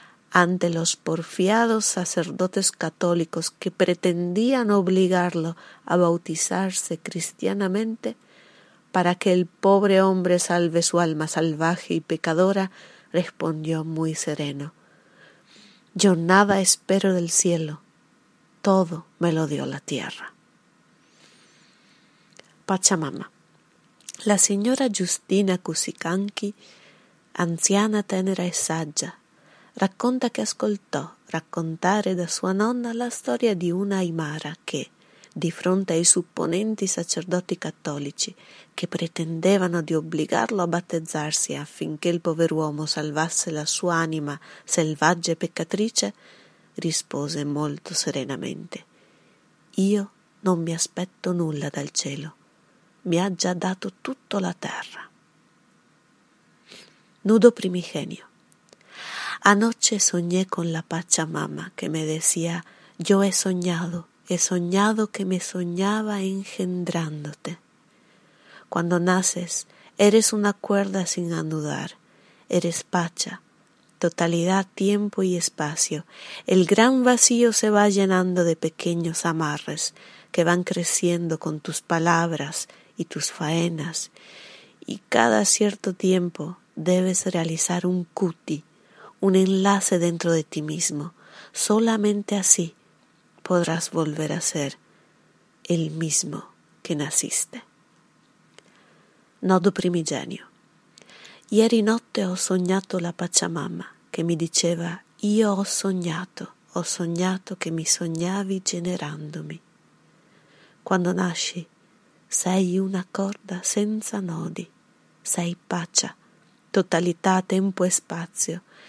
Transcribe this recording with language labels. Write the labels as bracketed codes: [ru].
[es] ante los porfiados sacerdotes católicos que pretendían obligarlo a bautizarse cristianamente, para que el pobre hombre salve su alma salvaje y pecadora, respondió muy sereno: yo nada espero del cielo, todo me lo dio la tierra. Pachamama. La señora [it] Justina Cusicanqui, anciana tenera e saggia, racconta che ascoltò raccontare da sua nonna la storia di una aymara che, di fronte ai supponenti sacerdoti cattolici che pretendevano di obbligarlo a battezzarsi affinché il pover'uomo salvasse la sua anima selvaggia e peccatrice, rispose molto serenamente: io non mi aspetto nulla dal cielo, mi ha già dato tutto la terra. [es] Nudo primigenio. Anoche soñé con la Pachamama que me decía: yo he soñado que me soñaba engendrándote. Cuando naces, eres una cuerda sin anudar, eres pacha, totalidad, tiempo y espacio. El gran vacío se va llenando de pequeños amarres que van creciendo con tus palabras y tus faenas, y cada cierto tiempo debes realizar un cuti, un enlace dentro de ti mismo. Solamente así podrás volver a ser el mismo que naciste. [it] Nodo primigenio. Ieri notte ho sognato la Pachamama che mi diceva: io ho sognato che mi sognavi generandomi. Quando nasci sei una corda senza nodi, sei pacha, totalità, tempo e spazio.